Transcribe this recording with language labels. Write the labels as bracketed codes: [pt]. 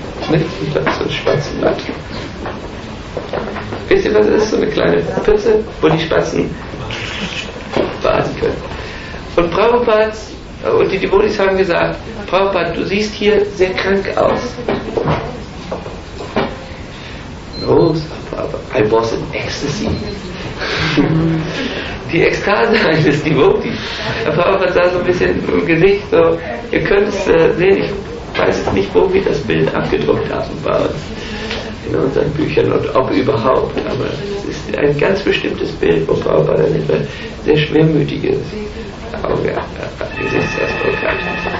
[de] Nicht so ein Spatzenbad. Wisst ihr, was das ist? So eine kleine Pütze, wo die Spatzen baden können. Und Prabhupada und die Devotees haben gesagt, Prabhupada, du siehst hier sehr krank aus. [en] No, Prabhupada, I was in ecstasy. [de] Die Ekstase eines Devotees. Prabhupada sah so ein bisschen im Gesicht, so, ihr könnt es sehen, ich weiß jetzt nicht, wo wir das Bild abgedruckt haben, bei uns, in unseren Büchern und ob überhaupt, aber es ist ein ganz bestimmtes Bild, wo Prabhupada ein sehr schwermütiges Auge Gesichtsausdruck hat.